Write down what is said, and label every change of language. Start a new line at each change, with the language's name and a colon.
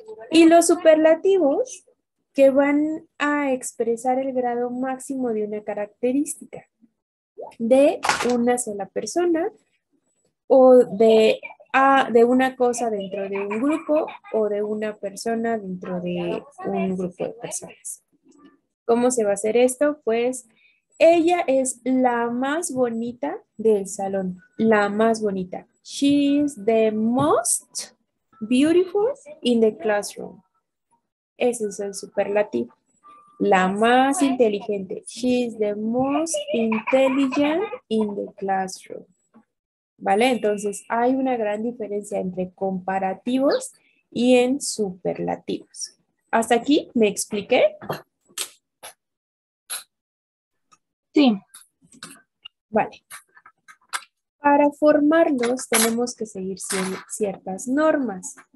Spanish: Y los superlativos que van a expresar el grado máximo de una característica de una sola persona o de una cosa dentro de un grupo o de una persona dentro de un grupo de personas. ¿Cómo se va a hacer esto? Pues ella es la más bonita del salón, la más bonita.
English: She is the most beautiful in the classroom.
Spanish: Ese es el superlativo. La más inteligente.
English: She is the most intelligent in the classroom.
Spanish: ¿Vale? Entonces, hay una gran diferencia entre comparativos y en superlativos. ¿Hasta aquí me expliqué? Sí. Vale. Para formarlos tenemos que seguir ciertas normas.